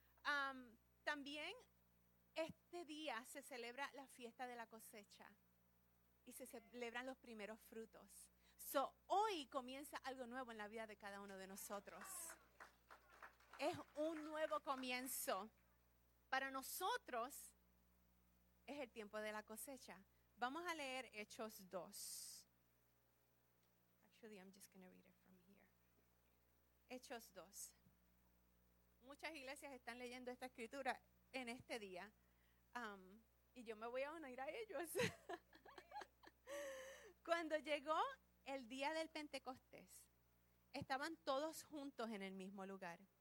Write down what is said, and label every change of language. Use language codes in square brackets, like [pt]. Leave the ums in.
[es] Um, también este día se celebra la fiesta de la cosecha y se celebran los primeros frutos. So, hoy comienza algo nuevo en la vida de cada uno de nosotros. Es un nuevo comienzo. Para nosotros es el tiempo de la cosecha. Vamos a leer Hechos 2. [en] Actually, I'm just going to read it from here. [es] Hechos 2. Muchas iglesias están leyendo esta escritura en este día. Um, y yo me voy a unir a ellos. Cuando llegó el día del Pentecostés, estaban todos juntos en el mismo lugar.